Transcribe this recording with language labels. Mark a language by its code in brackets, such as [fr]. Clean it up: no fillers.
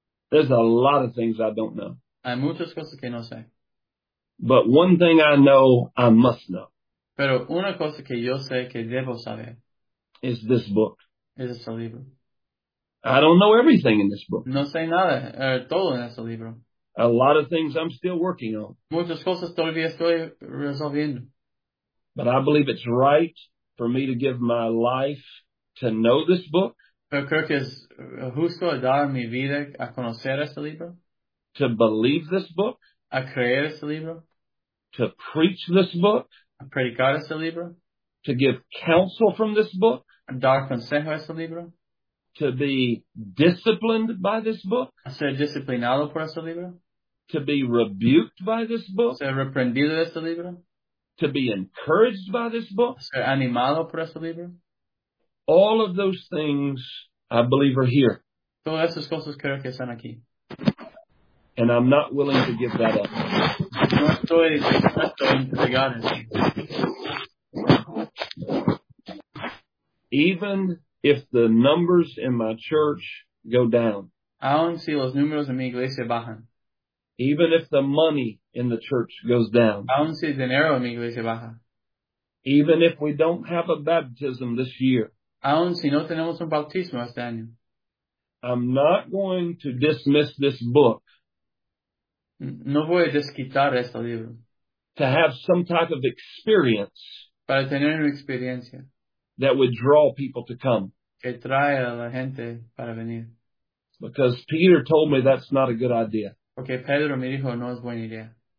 [en] There's a lot of things I don't know. [es] Hay muchas cosas que no sé. [en] But one thing I know, I must know. [es] Pero una cosa que yo sé que debo saber. [en] Is this book. [es] Es este libro. [en] I don't know everything in this book. [es] No sé nada, todo en este libro. [en] A lot of things I'm still working on. [es] Muchas cosas todavía estoy resolviendo. [en] But I believe it's right for me to give my life to know this book. [es] Pero creo que es justo dar mi vida a conocer este libro. [en] To believe this book. [es] A creer este libro. [en] To preach this book. [es] A predicar este libro. [en] To give counsel from this book. [es] A dar consejo este libro. [en] To be disciplined by this book. [es] A ser disciplinado por este libro. [en] To be rebuked by this book. [es] A ser reprendido de este libro. [en] To be encouraged by this book. [es] A ser animado por este libro. [en] All of those things, I believe, are here. [es] Todas esas cosas creo que están aquí. [en] And I'm not willing to give that up. [es] No estoy dispuesto a entregar eso. [en] Even if the numbers in my church go down. [es] Aun si los números en mi iglesia bajan. [en] Even if the money in the church goes down. [es] Aun si el dinero en mi iglesia baja. [en] Even if we don't have a baptism this year. [es] Aun si no tenemos un bautismo este año. [en] I'm not going to dismiss this book. [es] No voy a desquitar este libro. [en] To have some type of experience. [es] Para tener una experiencia. [en] That would draw people to come. [es] Que trae a la gente para venir. [en] Because Peter told me that's not a good idea. [es] Porque Pedro me dijo no es buena idea.